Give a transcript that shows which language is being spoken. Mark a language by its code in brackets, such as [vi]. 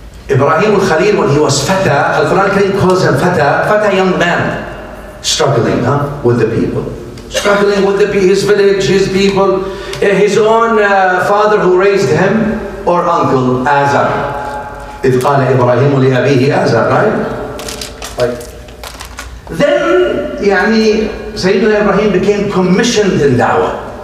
[en] Ibrahim al-Khalil, when he was fatah, Al-Quran Kareem calls him fatah, fatah young man. Struggling, huh, with the people. Struggling with his village, his people, his own father who raised him, or uncle, Azar. [ar] إِذْ قَالَ إِبْرَاهِيمُ لِأَبِيهِ Azar, right? [en] Then, يعني, Sayyidina Ibrahim became commissioned in Dawah.